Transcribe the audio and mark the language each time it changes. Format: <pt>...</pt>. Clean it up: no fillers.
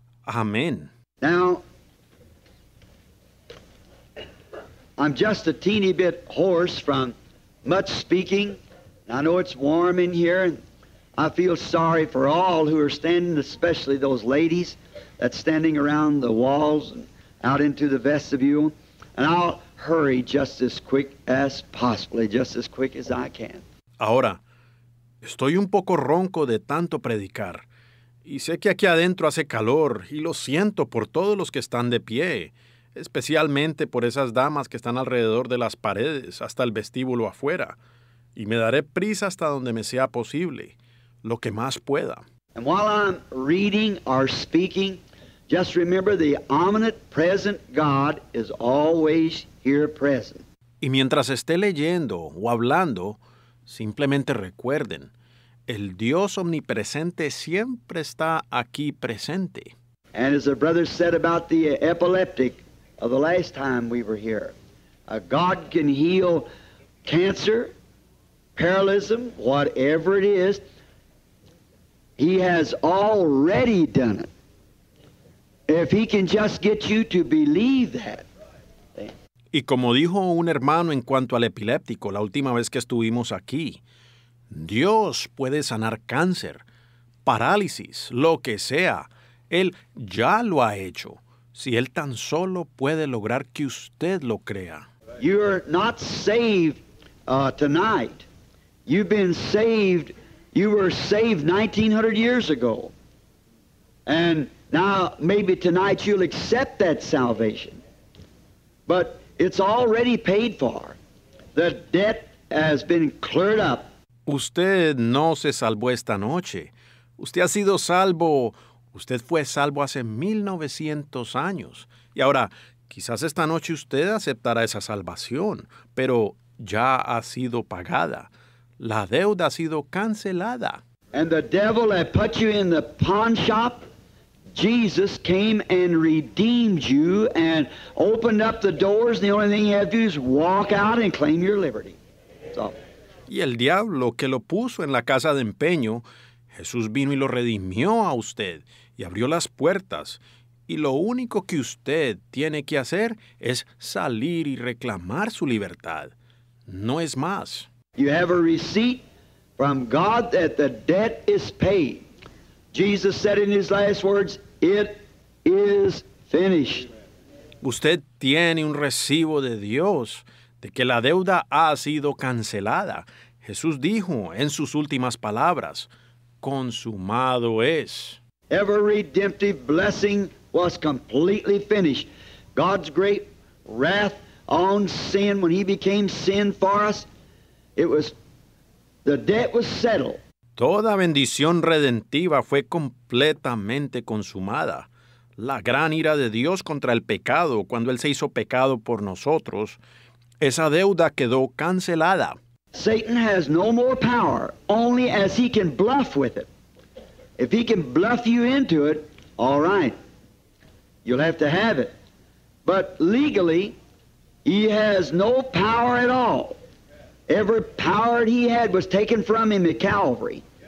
<es>Amén.</es> <en>Now, I'm just a teeny bit hoarse from much speaking. I know it's warm in here, and I feel sorry for all who are standing, especially those ladies that's standing around the walls and out into the vestibule. And I'll hurry just as quick as possibly, just as quick as I can.</en> <es>Ahora, estoy un poco ronco de tanto predicar. Y sé que aquí adentro hace calor, y lo siento por todos los que están de pie, especialmente por esas damas que están alrededor de las paredes hasta el vestíbulo afuera. Y me daré prisa hasta donde me sea posible, lo que más pueda.</es> <en>And while I'm reading or speaking, just remember the omnipotent present God is always here present.</en> <es>Y mientras esté leyendo o hablando, simplemente recuerden, el Dios omnipresente siempre está aquí presente.</es> <en>And as the brother said about the epileptic of the last time we were here, God can heal cancer, paralysis, whatever it is. He has already done it. If he can just get you to believe that.</en> <es>Y como dijo un hermano en cuanto al epiléptico la última vez que estuvimos aquí, Dios puede sanar cáncer, parálisis, lo que sea. Él ya lo ha hecho, si él tan solo puede lograr que usted lo crea. You're not saved tonight. You've been saved. You were saved 1900 years ago. And now maybe tonight you'll accept that salvation. But it's already paid for. The debt has been cleared up. Usted no se salvó esta noche. Usted ha sido salvo. Usted fue salvo hace 1900 años. Y ahora, quizás esta noche usted aceptará esa salvación, pero ya ha sido pagada. La deuda ha sido cancelada.</es> <en>And the devil that put you in the pawn shop, Jesus came and redeemed you and opened up the doors. The only thing you have to do is walk out and claim your liberty. So.</en> <es>Y el diablo que lo puso en la casa de empeño, Jesús vino y lo redimió a usted y abrió las puertas. Y lo único que usted tiene que hacer es salir y reclamar su libertad. No es más.</es> <en>You have a receipt from God that the debt is paid. Jesus said in his last words, it is finished.</en> <es>Usted tiene un recibo de Dios de que la deuda ha sido cancelada. Jesús dijo en sus últimas palabras, consumado es.</es> <en>Every redemptive blessing was completely finished. God's great wrath on sin when he became sin for us, it was, the debt was settled.</en> <es>Toda bendición redentiva fue completamente consumada. La gran ira de Dios contra el pecado, cuando Él se hizo pecado por nosotros, esa deuda quedó cancelada.</es> <en>Satan has no more power, only as he can bluff with it. If he can bluff you into it, all right, you'll have to have it. But legally, he has no power at all. Every power he had was taken from him at Calvary.</en>